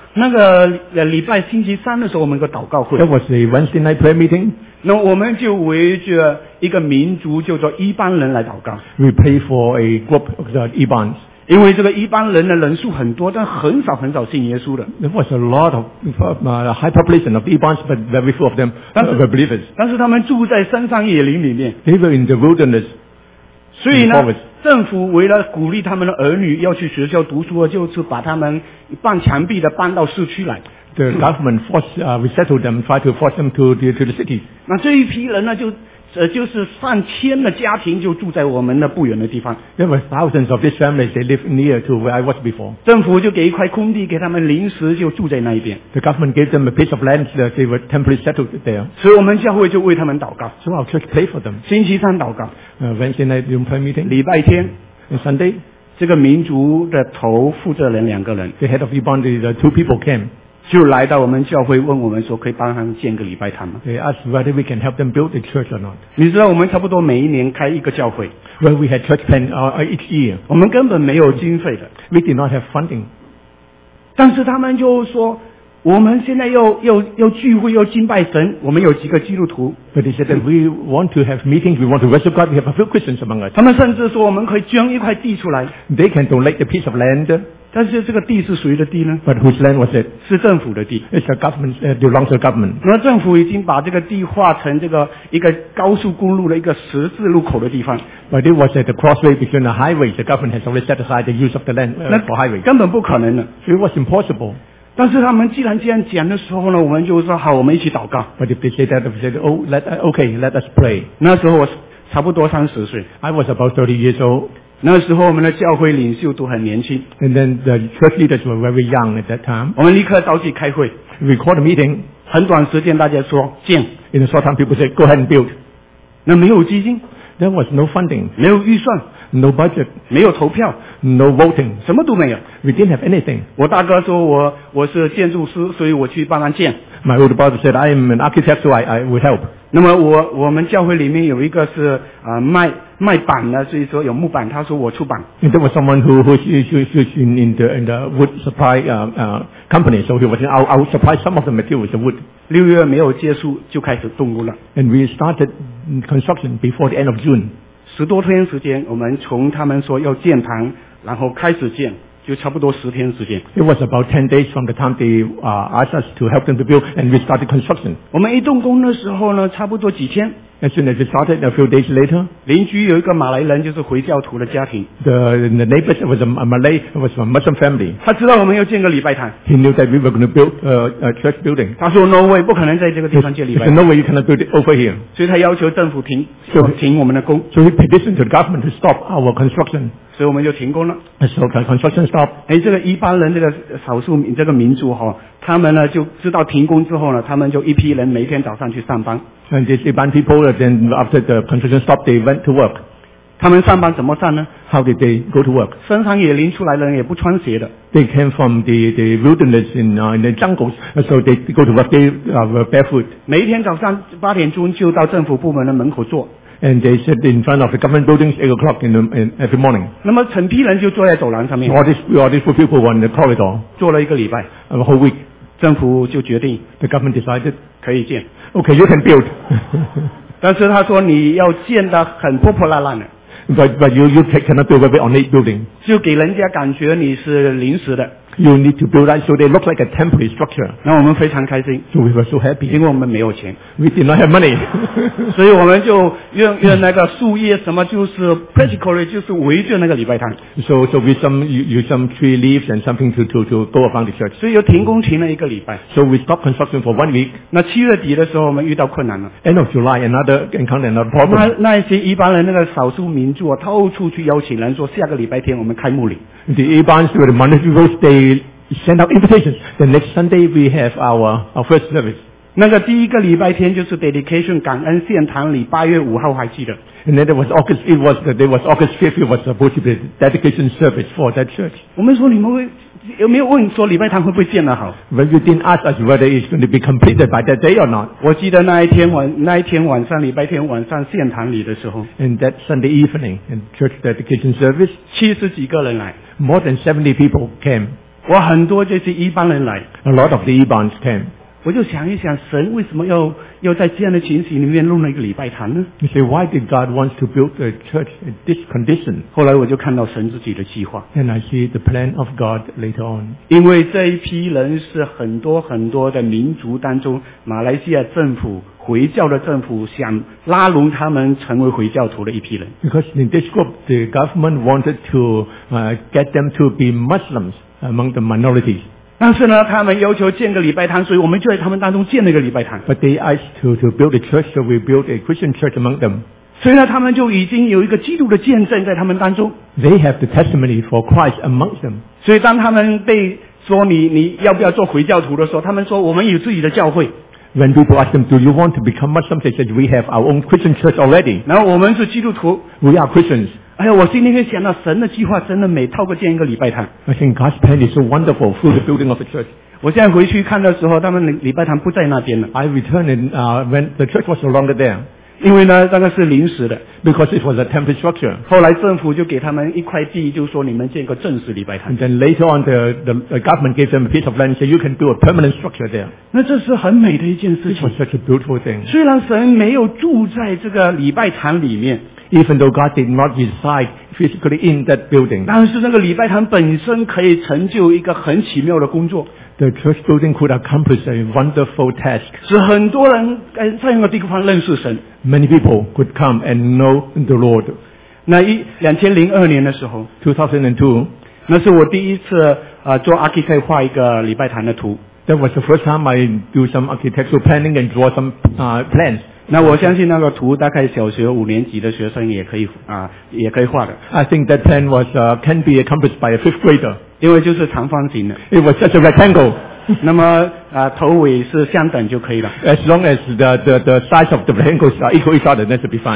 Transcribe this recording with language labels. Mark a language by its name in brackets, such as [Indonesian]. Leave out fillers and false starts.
[Chinese] 那个礼拜星期三的时候我们有个祷告会。 [English] That was the Wednesday night prayer meeting. [Chinese] 那我们就围着一个民族叫做一般人来祷告。 [English] We pray for a group of the Ebans. [Chinese] 因为这个一般人的人数很多，但很少很少信耶稣的。 [English] There was a lot of high population of Ebans, but very few of them were believers. [Chinese] 但是他们住在深山野林里面。 [English] They were in the wilderness. [Chinese] 所以呢，政府为了鼓励他们的儿女要去学校读书，就是把他们半强逼的搬到市区来。 [English] The government forced resettle them, try to force them to the cities. [Chinese] 那这一批人呢，就是上千的家庭就住在我们的不远的地方。 [English] There were thousands of these families. They live near to where I was before. [Chinese] 政府就给一块空地给他们临时就住在那一边。 [English] The government gave them a piece of land that they were temporarily settled there. [Chinese] 所以我们教会就为他们祷告。 [English] So our church prayed for them. [Chinese] 星期三祷告。 [English] Wednesday night room prayer meeting. [Chinese] 礼拜天。 [English] And Sunday. [Chinese] 这个民族的头负责人两个人。 [English] The head of Ebony, the two people came. [Chinese] 就来到我们教会问我们说可以帮他们建个礼拜堂吗 [English] They asked whether we can help them build a church or not. [Chinese] 你知道我们差不多每一年开一个教会 [English] Well, we had church plan each year. [Chinese] 我们根本没有经费的 [English] We did not have funding. [Chinese] 但是他们就说我们现在又聚会又敬拜神我们有几个基督徒 [English] But they said that we want to have meetings, we want to worship God, we have a few Christians among us. [Chinese] 他们甚至说我们可以捐一块地出来 [English] They can donate a piece of land. [Chinese] 但是这个地是谁的地呢 [English] ？But whose land was it？ [Chinese] 是政府的地。 [English] It's a government. It belongs to government. [Chinese] 那政府已经把这个地划成这个一个高速公路的一个十字路口的地方。 [English] But it was at the crossway between the highways. The government has already set aside the use of the land for highways. [Chinese] 根本不可能的。 [English] So it was impossible. [Chinese] 但是他们既然这样讲的时候呢，我们就说好，我们一起祷告。 [English] But if they say that, if they say, oh, let us pray. [Chinese] 那时候我差不多三十岁。 [English] I was about 30 years old. [Chinese] 那时候我们的教会领袖都很年轻 [English] And then the church leaders were very young at that time [Chinese] 我们立刻召集开会 [English] We called a meeting [Chinese] 很短时间大家说建 [English] In a short time people said go ahead and build [Chinese] 那没有基金 [English] There was no funding [Chinese] 没有预算 [English] No budget [Chinese] 没有投票 [English] No voting [Chinese] 什么都没有 [English] We didn't have anything [Chinese] 我大哥说我是建筑师所以我去帮他建 [English] My older brother said I am an architect so I would help [Chinese] 那么我们教会里面有一个是卖板呢，所以说有木板，他说我出板。 [English] There was someone who's in the wood supply company, so he was I'll supply some of the materials, the wood. [Chinese] 六月没有结束就开始动工了。 [English] And we started construction before the end of June. [Chinese] 十多天时间，我们从他们说要建堂，然后开始建，就差不多十天时间。 [English] It was about 10 days from the time they asked us to help them to build, and we started construction. [Chinese] 我们一动工的时候呢，差不多几天。 [English] As soon as we started, a few days later, [Chinese] 邻居有一个马来人，就是回教徒的家庭。 [English] The neighbors was a Malay, was a Muslim family. [Chinese] 他知道我们要建个礼拜堂。 [English] He knew that we were going to build a church building. [Chinese] 他说 ， [English] No way, [Chinese] 不可能在这个地方建礼拜堂。 [English] No way, you cannot build it over here. [Chinese] 所以他要求政府停我们的工。 [English] So he petitioned to the government to stop our construction. [Chinese] 所以我们就停工了。 [English] So the construction stopped. [Chinese] 哎，这个一般人，这个少数这个民族哈，他们呢就知道停工之后呢，他们就一批人每天早上去上班。 [English] And these Iban people, then after the construction stopped, they went to work. [Chinese] 他们上班怎么上呢 [English] ？How did they go to work? [Chinese] 深山野林出来的人也不穿鞋的。 [English] They came from the wilderness in the jungles, so they go to work. They were barefoot. [Chinese] 每一天早上八点钟就到政府部门的门口坐。 [English] And they sit in front of the government buildings 8 o'clock in every morning. [Chinese] 那么成批人就坐在走廊上面。 [English] All these people were in the corridor. [Chinese] 坐了一个礼拜。 [English] A whole week. [Chinese] 政府就决定。 [English] The government decided. [Chinese] 可以建。 [English] Okay, you can build. [Chinese] 但是他说你要建得很破破烂烂的。 [English] But you cannot build a very ornate building. [Chinese] 就给人家感觉你是临时的。 [English] You need to build that so they look like a temporary structure. [Chinese] 那我们非常开心。 [English] So we were so happy. [Chinese] 因为我们没有钱。 [English] We did not have money. [Chinese] 所以我们就用那个树叶什么就是 practically 就是围着那个礼拜堂。 [English] So we use some tree leaves and something to go around the church. [Chinese] 所以又停工停了一个礼拜。 [English] So we stopped construction for 1 week. [Chinese] 那七月底的时候我们遇到困难了。 [English] End of July, encountered another problem. [Chinese] 那一些一般人那个少数民族啊，到处去邀请人说下个礼拜天我们开牧礼。 [English] The Ebans were the Monday people's day. They send out invitations. The next Sunday we have our first service. [Chinese] 那个第一个礼拜天就是 dedication 感恩献堂礼，八月五号还记得。 [English] And then it was August 5th. It was supposed to be the dedication service for that church. [Chinese] 我们说你们有没有问说礼拜堂会不会建得好 [English] ？Well, you didn't ask us whether it's going to be completed by that day or not. [Chinese] 我记得那一天晚上礼拜天晚上献堂礼的时候。 [English] And that Sunday evening, in church dedication service, [Chinese] 七十几个人来。 [English] More than 70 people came. [Chinese] 我很多这些一般人来。 [English] A lot of the Ebans came. [Chinese] 我就想一想，神为什么要在这样的情形里面弄了一个礼拜堂呢？ [English] You say, why did God want to build a church in this condition? [Chinese] 后来我就看到神自己的计划。 [English] And I see the plan of God later on. [Chinese] 因为这一批人是很多很多的民族当中，马来西亚政府回教的政府想拉拢他们成为回教徒的一批人。 [English] Because in this group, the government wanted to get them to be Muslims among the minorities. [Chinese] 但是呢，他们要求建个礼拜堂，所以我们就在他们当中建了一个礼拜堂。 [English] But they asked to build a church, so we built a Christian church among them. [Chinese] 所以呢，他们就已经有一个基督的见证在他们当中。 [English] They have the testimony for Christ among them. [Chinese] 所以当他们被说你要不要做回教徒的时候，他们说我们有自己的教会。 [English] When people ask them, do you want to become Muslim? They said, we have our own Christian church already. [Chinese] 然后我们是基督徒。 [English] We are Christians. [Chinese] 哎呀，我心里面想到神的计划真的美，透过建一个礼拜堂。 [English] I think God's plan is so wonderful through the building of a church. [Chinese] 我现在回去看的时候，他们礼拜堂不在那边了。 [English] I returned and when the church was no longer there. [Chinese] 因为呢，那个是临时的。 [English] Because it was a temporary structure. [Chinese] 后来政府就给他们一块地，就说你们建个正式礼拜堂。 [English] And then later on, the government gave them a piece of land, said you can build a permanent structure there. [Chinese] 那这是很美的一件事情。 [English] It was such a beautiful thing. [Chinese] 虽然神没有住在这个礼拜堂里面。 [English] Even though God did not reside physically in that building. [Chinese] 但是那个礼拜堂本身可以成就一个很奇妙的工作。 [English] The church building could accomplish a wonderful task. [Chinese] 使很多人在那个地方认识神。 [English] Many people could come and know the Lord. [Chinese] 那2002年的时候。 [English] 2002. [Chinese] 那是我第一次做 architect 画一个礼拜堂的图。 [English] That was the first time I do some architectural planning and draw some plans. [Chinese] 那我相信那个图大概小学五年级的学生也可以画的。 [English] I think that plan was can be accomplished by a fifth grader. [Chinese] 因为就是长方形的。 [English] It was just a rectangle. [Chinese] 那么头尾是相等就可以了。 [English] As long as the size of the rectangles are equal each other, that's be fine.